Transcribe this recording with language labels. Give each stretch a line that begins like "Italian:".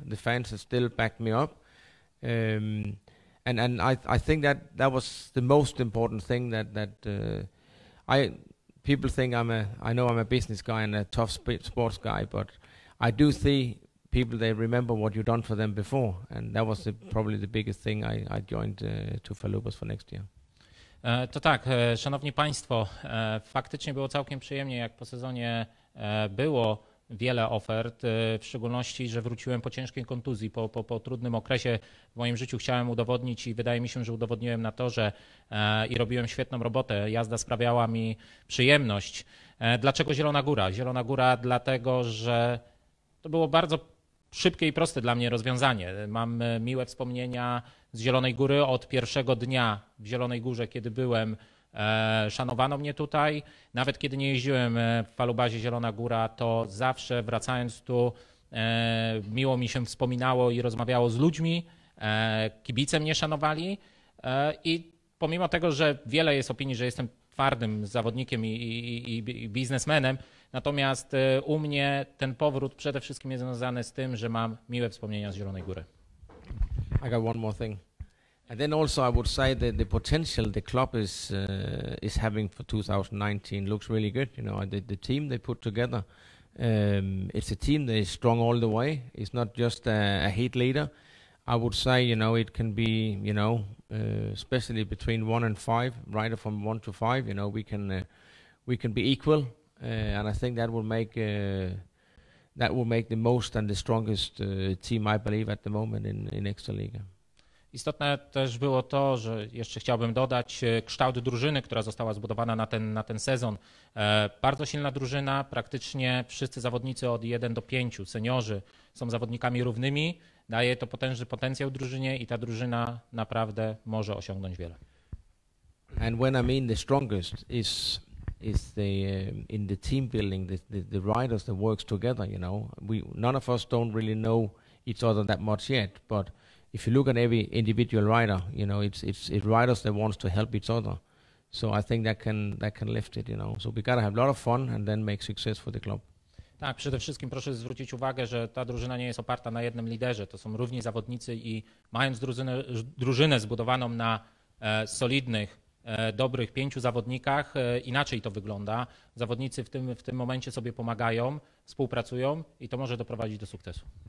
English: The fans have still backed me up. And I think that that was the most important thing, that people think I'm a business guy and a tough sports guy, but I do see people, they remember what you've done for them before, and that was probably the biggest thing I joined to Falubas for next year.
Polish: To tak, szanowni państwo, faktycznie było całkiem przyjemnie, jak po sezonie było wiele ofert, w szczególności, że wróciłem po ciężkiej kontuzji, po trudnym okresie w moim życiu chciałem udowodnić i wydaje mi się, że udowodniłem na torze i robiłem świetną robotę. Jazda sprawiała mi przyjemność. Dlaczego Zielona Góra? Zielona Góra dlatego, że to było bardzo szybkie i proste dla mnie rozwiązanie. Mam miłe wspomnienia z Zielonej Góry od pierwszego dnia w Zielonej Górze, kiedy byłem. Szanowano mnie tutaj. Nawet kiedy nie jeździłem w Falubazie Zielona Góra, to zawsze wracając tu miło mi się wspominało i rozmawiało z ludźmi. Kibice mnie szanowali i pomimo tego, że wiele jest opinii, że jestem twardym zawodnikiem i biznesmenem, natomiast u mnie ten powrót przede wszystkim jest związany z tym, że mam miłe wspomnienia z Zielonej Góry.
English: I got one more thing. And then also I would say that the potential the club is having for 2019 looks really good. You know, the team they put together, it's a team that is strong all the way. It's not just a heat leader. I would say, you know, it can be, you know, especially between 1 and 5, right from 1 to 5, you know, we can be equal. And I think that will make the most and the strongest team, I believe, at the moment in Ekstraliga.
Polish: Istotne też było to, że jeszcze chciałbym dodać kształt drużyny, która została zbudowana na ten sezon. Bardzo silna drużyna, praktycznie wszyscy zawodnicy od 1 do 5, seniorzy, są zawodnikami równymi. Daje to potężny potencjał drużynie i ta drużyna naprawdę może osiągnąć wiele.
English: And when I mean the strongest is the in the team building, the riders that works together, you know. None of us don't really know each other that much yet, but if you look at every individual rider, you know, it's riders that wants to help each other. So I think that can lift it, you know. So we gotta have a lot of fun and then make success for the club.
Polish: Tak, przede wszystkim proszę zwrócić uwagę, że ta drużyna nie jest oparta na jednym liderze. To są równi zawodnicy i mając drużynę zbudowaną na solidnych, dobrych 5 zawodnikach, inaczej to wygląda. Zawodnicy w tym momencie sobie pomagają, współpracują i to może doprowadzić do sukcesu.